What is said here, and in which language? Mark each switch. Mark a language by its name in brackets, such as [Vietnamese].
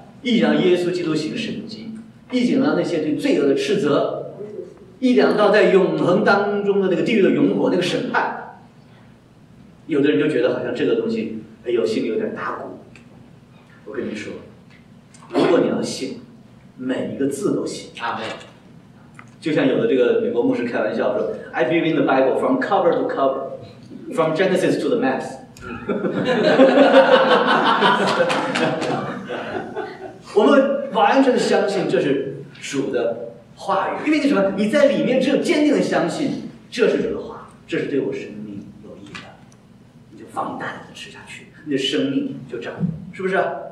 [Chinese] 一让耶稣基督行神迹，一警了那些对罪恶的斥责，一两道在永恒当中的那个地狱的永火那个审判，有的人就觉得好像这个东西，哎呦，心里有点打鼓。我跟你说，如果你要信，每一个字都信。阿门。就像有的这个美国牧师开玩笑说 ：“ [English] I believe in the Bible from cover to cover, from Genesis to the Max。” [Chinese] 我们完全相信这是主的话语，因为你什么？你在里面只有坚定的相信这是主的话，这是对我生命有益的，你就放胆的吃下去，你的生命就长，是不是？